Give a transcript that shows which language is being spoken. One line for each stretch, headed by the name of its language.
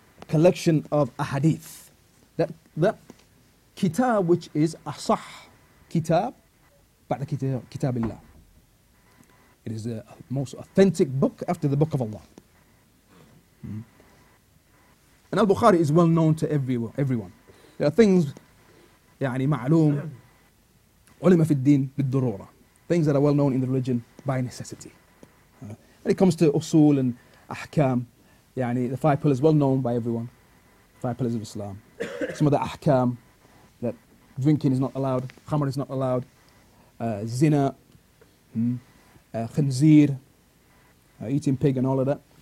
English: collection of ahadith. That kitab, which is
Arabic: asah kitab, ba'da kitab Allah.
English: It is the most authentic book after the book of Allah. And Al-Bukhari is well known to everyone. There are things,
Arabic: يعني معلوم, علم في الدين بالضرورة.
English: Things that are well known in the religion by necessity. When it comes to usul and ahkam, يعني the five pillars well known by everyone. Five pillars of Islam. Some of the ahkam, that drinking is not allowed, khamar is not allowed, zina, khinzir, eating pig and all of that.